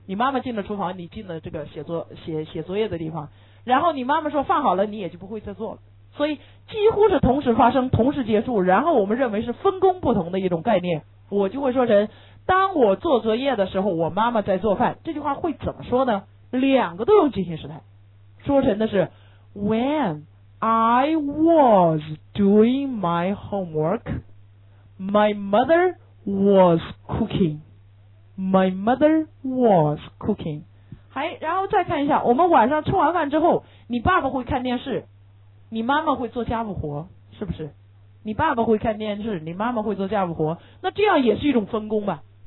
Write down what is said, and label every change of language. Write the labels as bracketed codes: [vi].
[zh] 你妈妈进了厨房，你进了这个写作业的地方，然后你妈妈说饭好了，你也就不会再做了，所以几乎是同时发生同时结束，然后我们认为是分工不同的一种概念。我就会说成，当我做作业的时候我妈妈在做饭，这句话会怎么说呢？两个都用进行时态，说成的是 [en] When I was doing my homework, my mother was cooking. My mother was cooking. [zh] 还然后再看一下，我们晚上吃完饭之后，你爸爸会看电视，你妈妈会做家务活，是不是？你爸爸会看电视，你妈妈会做家务活，那这样也是一种分工吧？